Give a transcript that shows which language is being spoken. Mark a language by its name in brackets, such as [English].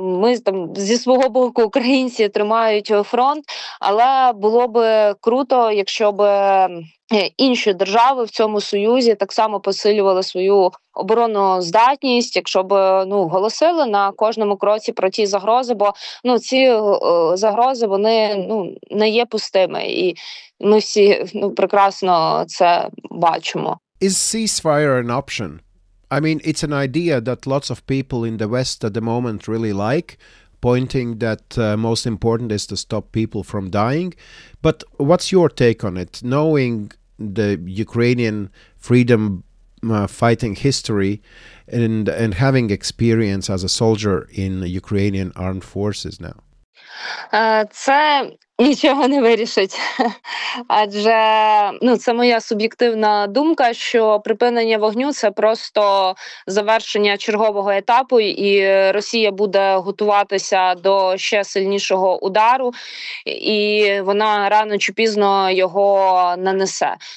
[Ukrainian] Ми там зі свого боку українці тримають фронт, але було б круто, якщо б інші держави в цьому союзі так само посилювали свою оборону здатність, якщо б ну голосили на кожному кроці про ті загрози, бо ну ці загрози вони ну не є пустими, і ми всі ну прекрасно це бачимо. [English] Is ceasefire an option? I mean, it's an idea that lots of people in the West at the moment really like, pointing that most important is to stop people from dying. But what's your take on it? Knowing the Ukrainian freedom fighting history and having experience as a soldier in Ukrainian armed forces now? [Ukrainian] Це нічого не вирішить. Адже, ну, це моя суб'єктивна думка, що припинення вогню – це просто завершення чергового етапу, і Росія буде готуватися до ще сильнішого удару, і вона рано чи пізно його нанесе.